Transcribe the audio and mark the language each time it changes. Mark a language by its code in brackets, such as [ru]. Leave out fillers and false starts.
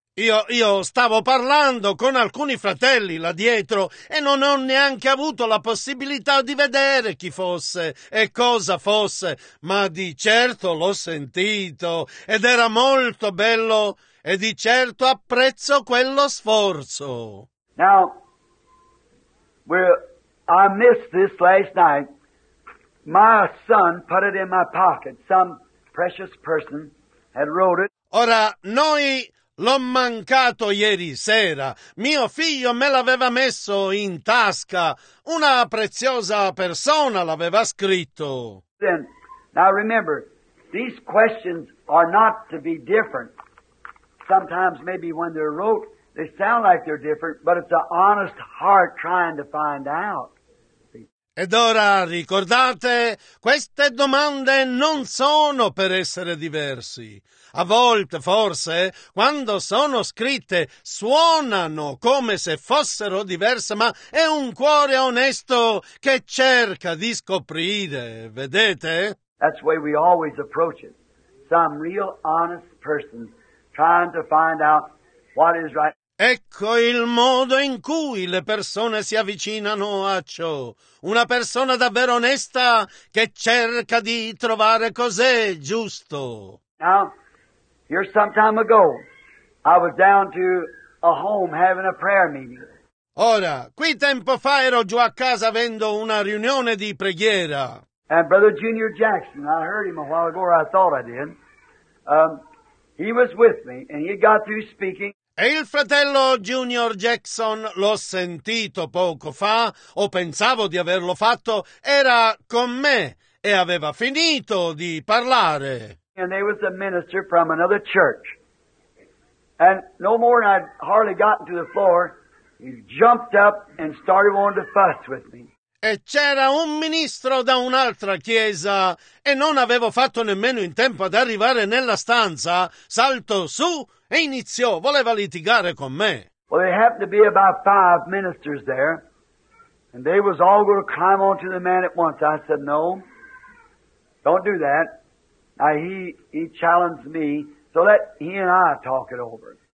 [it] Io stavo parlando con alcuni fratelli là dietro e non ho neanche avuto la possibilità di vedere chi fosse e cosa fosse, ma di certo l'ho sentito ed era molto bello e di certo apprezzo quello sforzo. [en] Now, I missed this last night. My son put it in my pocket. Some precious person had wrote it. [it] Ora, noi... L'ho mancato ieri sera. Mio figlio me l'aveva messo in tasca. Una preziosa persona l'aveva scritto. [en] Then, now remember, these questions are not to be different. Sometimes maybe when they're wrote, they sound like they're different, but it's an honest heart trying to find out. [it] Ed ora ricordate, queste domande non sono per essere diversi. A volte, forse, quando sono scritte, suonano come se fossero diverse, ma è un cuore onesto che cerca di scoprire, vedete? [en] That's the way we always approach it. Some real honest person trying to find out what is right. [it] Ecco il modo in cui le persone si avvicinano a ciò. Una persona davvero onesta che cerca di trovare cos'è giusto. [en] Now, here some time ago, I was down to a home having a prayer meeting. [it] Ora, qui tempo fa ero giù a casa avendo una riunione di preghiera. [en] And Brother Junior Jackson, I heard him a while ago, or I thought I did. He was with me, and he got through speaking. [it] E il fratello Junior Jackson, l'ho sentito poco fa, o pensavo di averlo fatto, era con me e aveva finito di parlare. [en] And there was a minister from another church. And no more than I'd hardly gotten to the floor, he jumped up and started wanting to fuss with me. [it] E c'era un ministro da un'altra chiesa e non avevo fatto nemmeno in tempo ad arrivare nella stanza, salto su e iniziò, voleva litigare con me. [en] Well, there happened to be about five ministers there and they was all going to climb onto the man at once. I said, no, don't do that. Now he challenged me, so let he and I talk it over.